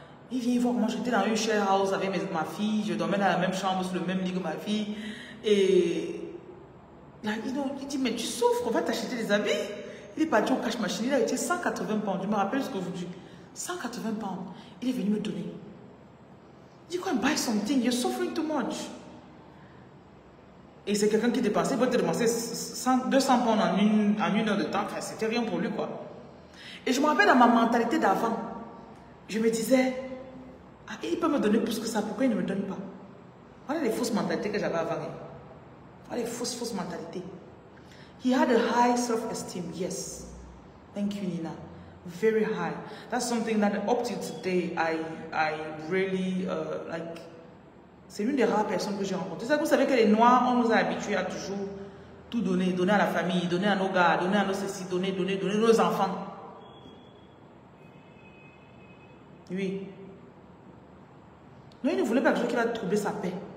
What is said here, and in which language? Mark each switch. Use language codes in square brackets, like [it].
[fr] Il vient, il voit comment j'étais dans une share house avec ma fille. Je dormais dans la même chambre, sur le même lit que ma fille. Et là, il dit, mais tu souffres, on va t'acheter des habits. Il est parti au cash machine, il a été 180 pounds. Je me rappelle ce que vous dites. 180 pounds. Il est venu me donner. [en] You can buy something, you're suffering too much. [fr] Et c'est quelqu'un qui dépensait, il peut te dépenser 200 pounds en une heure de temps, enfin, c'était rien pour lui quoi. Et je me rappelle dans ma mentalité d'avant, je me disais, ah, il peut me donner plus que ça, pourquoi il ne me donne pas? Voilà les fausses mentalités que j'avais avant. Hein. Voilà les fausses mentalités. [en] He had a high self-esteem, yes. Thank you, Nina. Very high. That's something that up to today I really like. [fr] C'est l'une des rares personnes que j'ai rencontrées. Vous savez que les Noirs, on nous a habitués à toujours tout donner. Donner à la famille, donner à nos gars, donner à nos ceci, donner à nos enfants. Oui. Non, il ne voulait pas quelque chose qui va troubler sa paix.